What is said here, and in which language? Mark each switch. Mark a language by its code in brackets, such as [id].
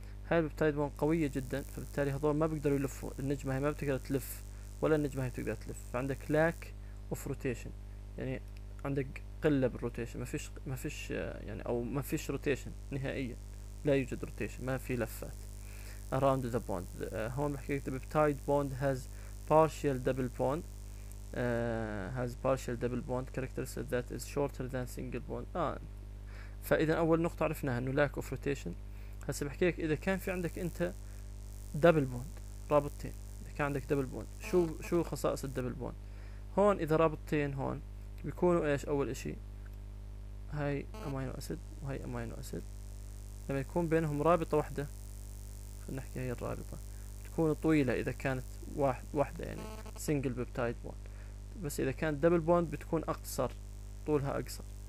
[ar] هاي البيبتايد بوند قويه جدا، فبالتالي هذول ما بيقدروا يلفوا، النجمه هاي ما بتقدر تلف ولا النجمه هاي بتقدر تلف، فعندك لاك اوف روتيشن، يعني عندك قله بالروتيشن، ما فيش يعني، او ما فيش روتيشن نهائيا، لا يوجد روتيشن، ما في لفات [en] around the bond. [ar] هون بحكي لك [en] the peptide bond has partial double bond has partial double bond characteristic that is shorter than single bond. [ar] فإذا أول نقطة عرفناها إنه lack of rotation. هسا بحكي لك إذا كان في عندك أنت double bond، رابطتين، إذا كان عندك double bond، شو خصائص ال double bond؟ هون إذا رابطتين هون بيكونوا إيش أول إشي؟ هاي أمينو أسيد وهي أمينو أسيد، لما يكون بينهم رابطة واحدة، نحكي هي الرابطة تكون طويلة إذا كانت واحدة يعني single peptide bond، بس إذا كانت double bond بتكون أقصر، طولها أقصر.